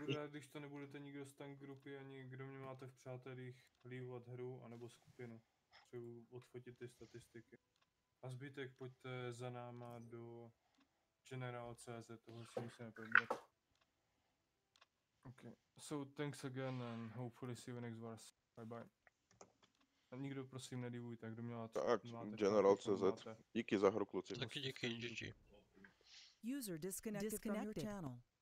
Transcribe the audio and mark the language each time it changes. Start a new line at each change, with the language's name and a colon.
Czech: Když to nebudete nikdo z tank grupy ani kdo mě máte v přátelích lívat hru anebo skupinu. Třeba odfotit ty statistiky. A zbytek pojďte za náma do General.cz, toho si musíme probrat.
English: Ok, so thanks again and hopefully see you next verse. Bye bye.
Czech: A nikdo prosím nedivuj, tak kdo měl to. Tak, General.cz, díky za hru, kluci. Taky díky, GG.
English: User disconnected from your channel.